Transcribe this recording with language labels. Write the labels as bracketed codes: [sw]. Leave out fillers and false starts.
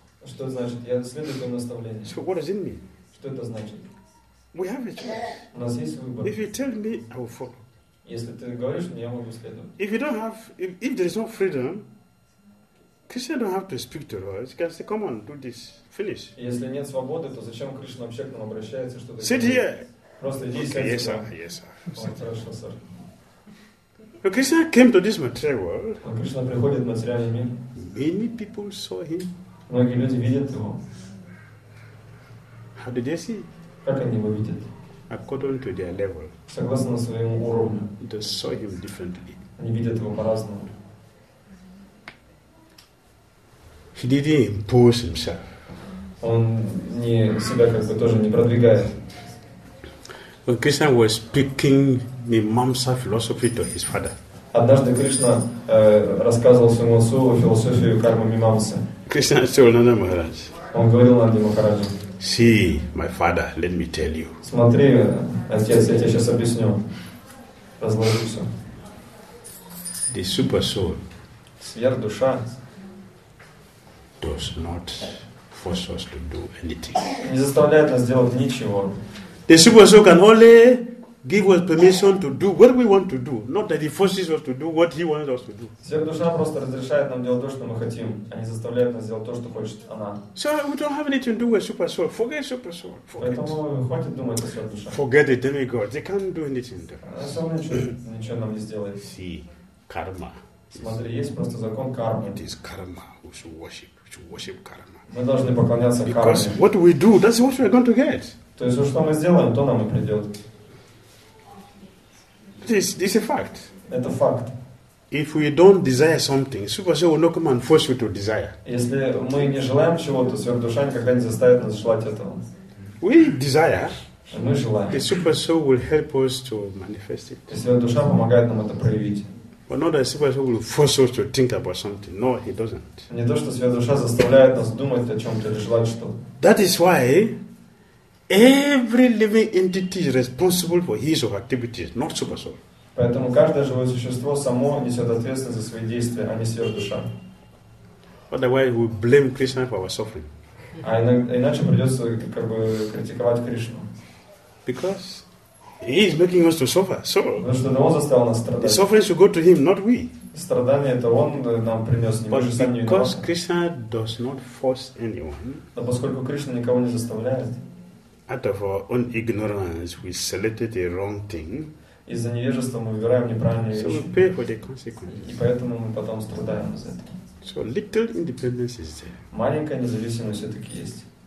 [ru] Что значит? Я следую твоим наставлениям. [en] So what does it mean? [ru] Что это значит? [en] We have a choice. [ru] У нас есть выбор. [en] If you tell me, I will follow. [ru] Если ты говоришь мне, я могу следовать. [en] If you don't have, if there is no freedom, Krishna don't have to speak to us. He can say, come on, do this. Finish. [ru] Если нет свободы, то зачем Кришна вообще к нам обращается, что-то? [en] Sit here. [ru] Просто иди сюда. [en] Yes, sir. Yes, sir. [ru] Oh, хорошо, [en] sir. But Krishna came to this material world. [ru] Кришна приходит в материальный мир. [en] Many people saw him. [ru] Многие люди видят его. [en] How did they see? [ru] Как они его видят? [en] According to their level. [ru] Согласно своему уровню. [en] They saw him differently. [ru] Они видят его по-разному. [en] He didn't impose himself. [ru] Он не себя как бы тоже не продвигает. [en] When Krishna was speaking Mimamsa philosophy to his father. [ru] Однажды Кришна рассказывал своему отцу философию кармы Мимамсы. [en] Krishna told Nanda Maharaj. [ru] Он говорил Нанда Махараджу. [en] See, my father, let me tell you. [ru] Смотри, отец, я тебе сейчас объясню. Разложу все. [en] The super soul. [ru] Сверхдуша. [en] Does not force us to do anything. [ru] Не заставляет нас делать ничего. [en] The super soul can only give us permission to do what we want to do, not that he forces us to do what he wants us to do. [ru] Сверхдуша просто разрешает нам делать то, что мы хотим, а не заставляет нас делать то, что хочет она. [en] So we don't have anything to do with super soul. Forget super soul. Forget. [ru] Поэтому хватит думать о сверхдуше. [en] Forget the demigods. They can't do anything. [ru] Сам ничего нам не сделает. [en] See, karma. [ru] Смотри, есть просто закон кармы. [en] It is karma. We should worship. We should worship karma. [ru] Мы должны поклоняться [en] Because [ru] карме. [en] Because what we do, that's what we are going to get. [ru] То есть, что мы сделаем, то нам и придет. [en] This is a fact. [ru] Это факт. [en] If we don't desire something, super soul will not come and force you to desire. [ru] Если мы не желаем чего-то, сверхдуша никогда не заставит нас желать этого. [en] We desire. [ru] Мы желаем. [en] The super soul will help us to manifest it. [ru] Сверхдуша помогает нам это проявить. [en] But not that super soul will force us to think about something. No, he doesn't. [ru] Не то, что сверхдуша заставляет нас думать о чем-то или желать что. [en] That is why every living entity is responsible for his or her activities, not super soul. [ru] Поэтому каждое живое существо само несет ответственность за свои действия, а не сверхдуша. [en] Otherwise, we blame Krishna for our suffering. [ru] А иначе придется как бы критиковать Кришну. [en] Because he is making us to suffer. So, [ru] потому что он заставил нас страдать. [en] The suffering should go to him, not we. [ru] страдания это Он нам принес, не мы же сами виноваты. Но поскольку Кришна никого не заставляет, [en] out of our own ignorance, we selected a wrong thing. [ru] Из-за невежества мы выбираем неправильные вещи. [en] So we pay for the consequences. [ru] И поэтому мы потом страдаем из-за этого. [en] So little independence is there. [ru] Маленькая независимость все-таки есть.